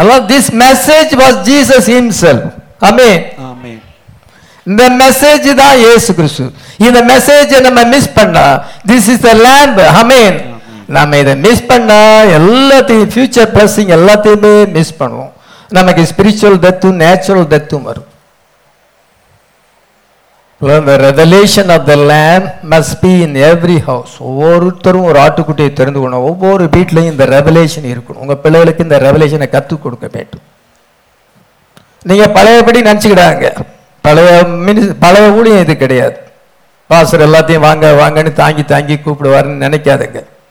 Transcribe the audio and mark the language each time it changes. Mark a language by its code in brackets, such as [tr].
[en] This message was Jesus himself. Amen. [ta] இந்த message தான் இயேசு கிறிஸ்து. இந்த மெசேஜ் நம்ம மிஸ் பண்ணா [en] This is the lamb. [ta] ஆமென். நம்ம இதை மிஸ் பண்ணா எல்லாத்தையும், [en] future blessing [ta] எல்லாத்தையுமே மிஸ் பண்ணுவோம். நமக்கு [en] spiritual டெத்தும் natural டெத்தும் [ta] வரும். [en] The revelation of the lamb must be in every house. [ta] ஒவ்வொருத்தரும் ஒரு ஆட்டுக்குட்டியை தெரிந்து கொள்ளணும். ஒவ்வொரு வீட்லையும் இந்த ரெவலேஷன் இருக்கணும். உங்க பிள்ளைகளுக்கு இந்த ரெவலேஷனை கற்றுக் கொடுக்க வேண்டும். நீங்க பழையபடி நினைச்சுக்கிடாங்க, பழைய பழைய ஊழியம் இது கிடையாது. பாஸ்டர் எல்லாத்தையும் வாங்க வாங்கன்னு தாங்கி தாங்கி கூப்பிடுவாருன்னு நினைக்காதுங்க.